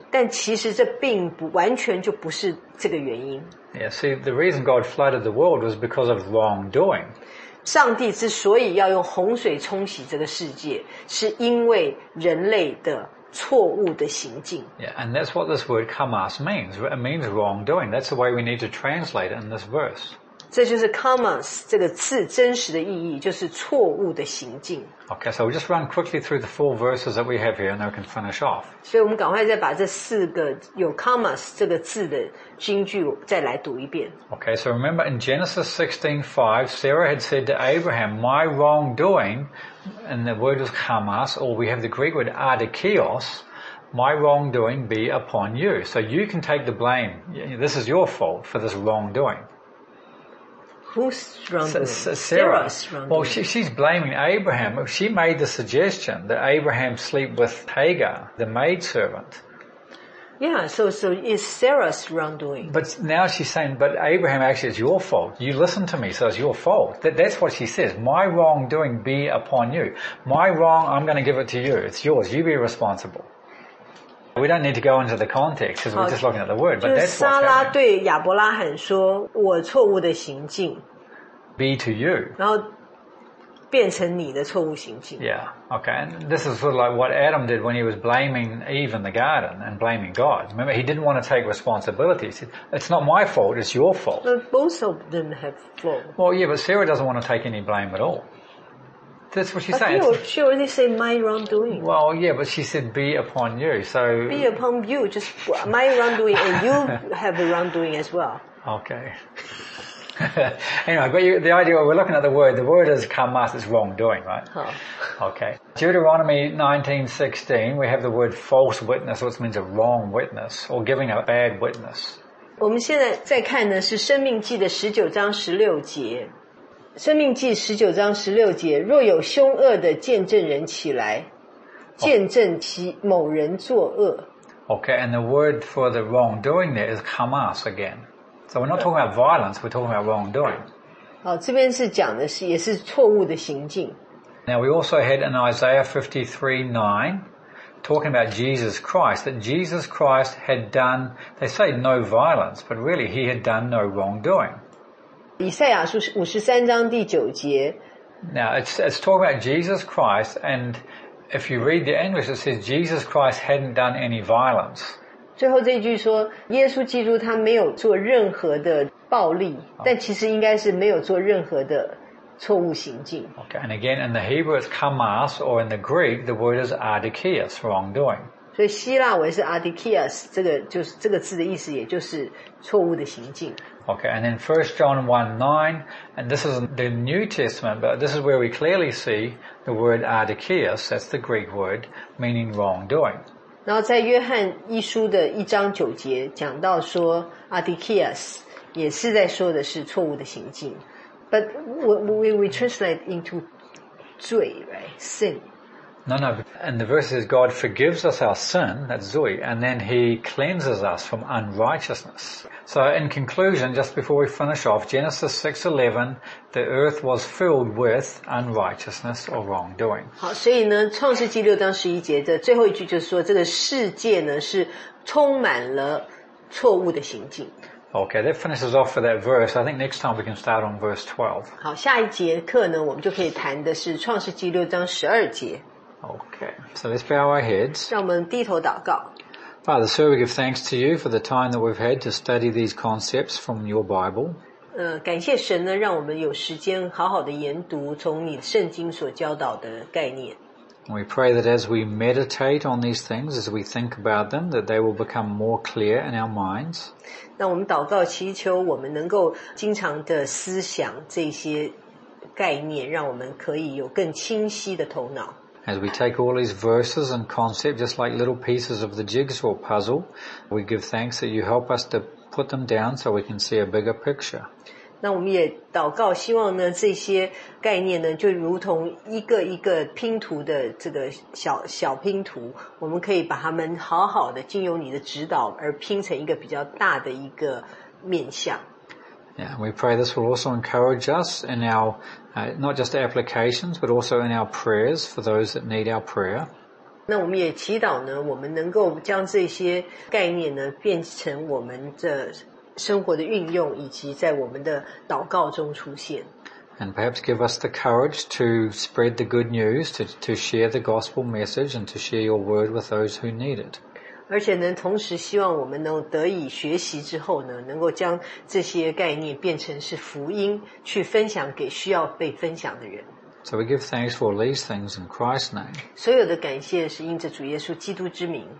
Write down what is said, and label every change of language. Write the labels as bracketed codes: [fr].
[zh] 但其实这并不完全就不是这个原因。 [en] Yeah, see, the reason God flooded the world was because of wrongdoing. [zh] 上帝之所以要用洪水冲洗这个世界，是因为人类的错误的行径。 [en] Yeah, and that's what this word kamas means. It means wrongdoing. That's the way we need to translate it in this verse. [zh] 这就是 commas 这个字真实的意义，就是错误的行径。 [en] Okay, so we'll just run quickly through the four verses that we have here, and then we can finish off. [zh] 所以我们赶快再把这四个有 commas 这个字的经句再来读一遍。 [en] Okay, so remember in Genesis 16:5, Sarah had said to Abraham, "My wrongdoing," and the word was commas, or we have the Greek word adikios, my wrongdoing be upon you. So you can take the blame. This is your fault for this wrongdoing. Who's wrongdoing? Sarah's wrongdoing. Well, she's blaming Abraham. She made the suggestion that Abraham sleep with Hagar, the maidservant. Yeah, so it's Sarah's wrongdoing. But now she's saying, but Abraham, actually, it's your fault. You listen to me, so it's your fault. That's what she says. My wrongdoing be upon you. My wrong, I'm going to give it to you. It's yours. You be responsible. We don't need to go into the context because we're just looking at the word. But that's what's happening. [zh] 就是撒拉对亚伯拉罕说，我错误的行径。 [en] Be to you. [zh] 然后变成你的错误行径。 [en] Yeah, okay. And this is sort of like what Adam did when he was blaming Eve in the garden and blaming God. Remember, he didn't want to take responsibility. He said, it's not my fault, it's your fault. But both of them have fault. Well, yeah, but Sarah doesn't want to take any blame at all. That's what she's saying. She already said my wrongdoing. Well, yeah, but she said be upon you. So be upon you, just my wrongdoing and you have a wrongdoing as well. Okay. Anyway, but the idea, we're looking at the word. The word is kamas, it's wrongdoing, right? Huh. Okay. Deuteronomy 19:16, we have the word false witness, which means a wrong witness or giving a bad witness. [zh] 我们现在在看呢是生命记的19:16。生命记19:16，若有凶恶的见证人起来，见证其某人作恶。 [en] Okay, and the word for the wrongdoing there is kamas again. So we're not talking about violence, we're talking about wrongdoing. [zh] 好，这边是讲的是也是错误的行径。 [en] Now we also had in Isaiah 53:9, talking about Jesus Christ, that Jesus Christ had done, they say no violence, but really he had done no wrongdoing. [zh] 以赛亚书53:9。 [en] Now it's talking about Jesus Christ, and if you read the English, it says Jesus Christ hadn't done any violence. [zh] 最后这一句说，耶稣基督他没有做任何的暴力，但其实应该是没有做任何的错误行径。 [en] Okay, and again, in the Hebrew it's kamas, or in the Greek the word is adikias, wrongdoing. [zh] 所以希腊文是 adikias， 这个就是这个字的意思，也就是错误的行径。 [en] Okay, and then 1 John 1:9, and this is the New Testament, but this is where we clearly see the word adikias, that's the Greek word, meaning wrongdoing. [zh] 然后在约翰一书的1:9讲到说 adikias 也是在说的是错误的行径。 [en] But we translate into 罪 right? Sin. No, and the verse says God forgives us our sin, that's zoe, and then he cleanses us from unrighteousness. So in conclusion, just before we finish off, Genesis 6:11, the earth was filled with unrighteousness or wrongdoing. [zh] 好，所以呢，创世纪6:11的最后一句就是说，这个世界呢是充满了错误的行径。 [en] Okay, that finishes off for that verse. I think next time we can start on verse 12. [zh] 好，下一节课呢，我们就可以谈的是创世纪6:12。 [en] Okay, so let's bow our heads. [zh] 让我们低头祷告。 [en] Father, sir, we give thanks to you for the time that we've had to study these concepts from your Bible. [zh] 感谢神呢，让我们有时间好好的研读从你圣经所教导的概念。 [en] We pray that as we meditate on these things, as we think about them, that they will become more clear in our minds. [zh] 那我们祷告祈求我们能够经常的思想这些概念，让我们可以有更清晰的头脑。 [en] As we take all these verses and concepts, just like little pieces of the jigsaw puzzle, we give thanks that you help us to put them down so we can see a bigger picture. [zh] 那我们也祷告，希望呢这些概念呢就如同一个一个拼图的这个小拼图，我们可以把它们好好的经由你的指导而拼成一个比较大的一个面向。 [en] Yeah, we pray this will also encourage us in our, not just applications, but also in our prayers for those that need our prayer. [zh] 那我们也祈祷呢，我们能够将这些概念呢，变成我们的生活的运用，以及在我们的祷告中出现。 [en] And perhaps give us the courage to spread the good news, to share the gospel message, and to share your word with those who need it. [zh] 而且呢，同时希望我们能得以学习之后呢，能够将这些概念变成是福音，去分享给需要被分享的人。 [en] So we give thanks for these things in Christ's name. [zh] 所有的感谢是因着主耶稣基督之名。